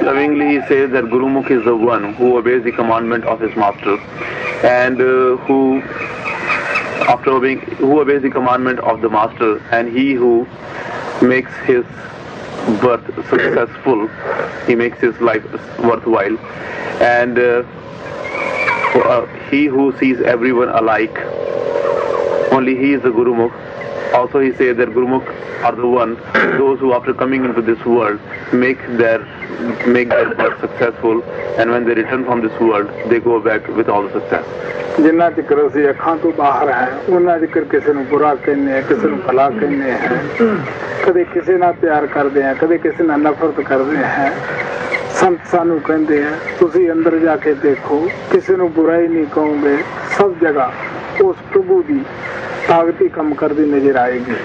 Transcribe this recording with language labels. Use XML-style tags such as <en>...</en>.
<en>Lovingly he says that Gurmukh is the one who obeys the commandment of his master and who after obeying who obeys the commandment of the master and he who makes his birth successful he makes his life worthwhile and he who sees everyone alike, only he is the Gurumukh. Also he says that Gurumukh are the one, those who after coming into this world make their birth successful, and when they return from this world they go back with all the success.</en> <pa>ਜਿੰਨਾ ਜ਼ਿਕਰ ਅਸੀਂ ਅੱਖਾਂ ਤੋਂ ਬਾਹਰ ਹੈ ਉਹਨਾਂ ਜ਼ਿਕਰ ਕਿਸੇ ਨੂੰ ਬੁਰਾ ਕਹਿੰਦੇ ਹਾਂ ਕਿਸੇ ਨੂੰ ਭਲਾ ਕਹਿੰਦੇ ਹਾਂ ਕਦੇ ਕਿਸੇ ਨਾਲ ਪਿਆਰ ਕਰਦੇ ਹਾਂ ਕਦੇ ਕਿਸੇ ਨਾਲ ਨਫ਼ਰਤ ਕਰਦੇ ਹਾਂ ਸੰਤ ਸਾਨੂੰ ਕਹਿੰਦੇ ਹੈ ਤੁਸੀਂ ਅੰਦਰ ਜਾ ਕੇ ਦੇਖੋ ਕਿਸੇ ਨੂੰ ਬੁਰਾ ਹੀ ਨਹੀਂ ਕਹੋਗੇ ਸਭ ਜਗ੍ਹਾ ਉਸ ਪ੍ਰਭੂ ਦੀ ਤਾਕਤ ਹੀ ਕੰਮ ਕਰਦੀ ਨਜ਼ਰ ਆਏਗੀ</pa>